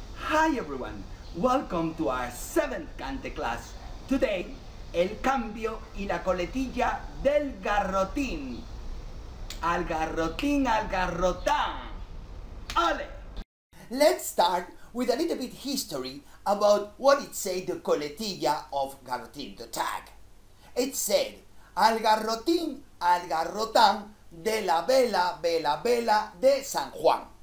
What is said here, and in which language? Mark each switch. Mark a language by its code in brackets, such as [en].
[en] Hi everyone, welcome to our 7th CANTE class. [es] Today, el cambio y la coletilla del garrotín. Al garrotín, al garrotán. Ole! [en] Let's start with a little bit history about what it said the coletilla of garrotín, the tag. It said, [es] al garrotín, al garrotán, de la vela, vela, vela, de San Juan.